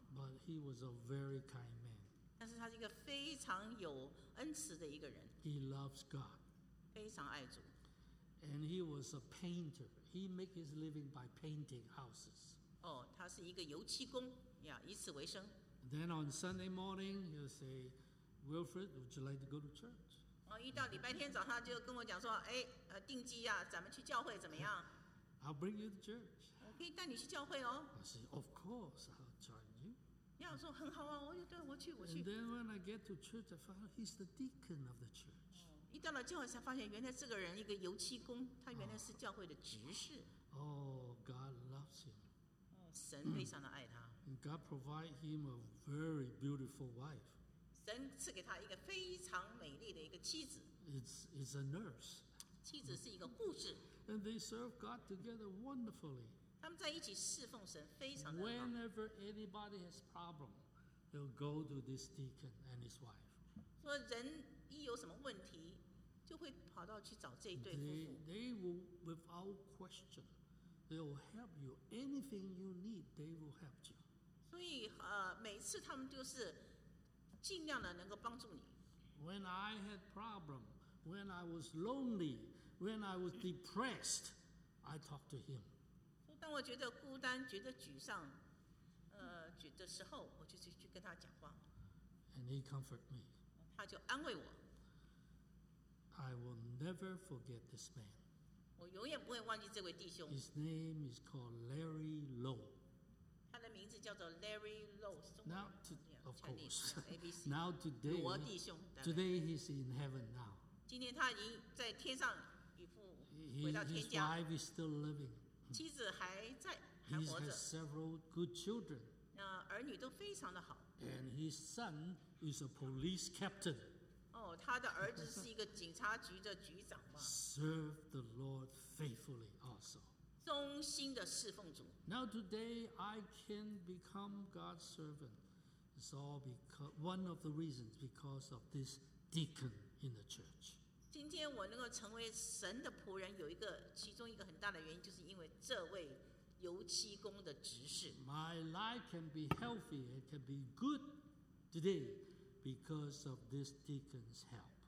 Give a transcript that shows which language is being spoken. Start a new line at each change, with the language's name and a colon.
English: But he was a very kind man.
Chinese: 但是他是一个非常有恩慈的一个人。
English: He loves God.
Chinese: 非常爱主。
English: And he was a painter. He made his living by painting houses.
Chinese: 他是一个油漆工，以此为生。
English: Then on Sunday morning, he'll say, "Wilfred, would you like to go to church?"
Chinese: 一到礼拜天早上就跟我讲说，定机啊，咱们去教会怎么样
English: ？I'll bring you to church.
Chinese: 我可以带你去教会哦。
English: I say, "Of course, I'll join you."
Chinese: 我说很好啊，我去。
English: And then when I get to church, I find he's the deacon of the church.
Chinese: 一到了教会才发现，原来这个人一个油漆工，他原来是教会的执事。
English: Oh, God loves him.
Chinese: 神非常的爱他。
English: And God provided him a very beautiful wife.
Chinese: 神赐给他一个非常美丽的一个妻子。
English: It's a nurse.
Chinese: 妻子是一个护士。
English: And they serve God together wonderfully.
Chinese: 他们在一起侍奉神，非常的好。
English: Whenever anybody has problem, he'll go to this deacon and his wife.
Chinese: 说人一有什么问题，就会跑到去找这一对夫妇。
English: They will without question, they will help you anything you need. They will help you.
Chinese: 所以每次他们就是尽量的能够帮助你。
English: When I had problem, when I was lonely, when I was depressed, I talked to him.
Chinese: 当我觉得孤单、觉得沮丧，的时候，我就去跟他讲话。
English: And he comforted me.
Chinese: 他就安慰我。
English: I will never forget this man.
Chinese: 我永远不会忘记这位弟兄。
English: His name is called Larry Lowe.
Chinese: 他的名字叫做 Larry Lowe.
English: Now, of course. ABC, now today,
Chinese: 罗弟兄,
English: today he's in heaven now.
Chinese: 今天他已经在天上与父回到天家。
English: His wife is still living.
Chinese: 妻子还在, 还活着。
English: He has several good children.
Chinese: 儿女都非常的好。
English: And his son is a police captain.
Chinese: 哦，他的儿子是一个警察局的局长嘛。
English: Serve the Lord faithfully also.
Chinese: 忠心的侍奉主。
English: Now today I can become God's servant. It's all because one of the reasons because of this deacon in the church.
Chinese: 今天我能够成为神的仆人，有一个其中一个很大的原因，就是因为这位。油漆工的执事。
English: My life can be healthy, it can be good today because of this deacon's help.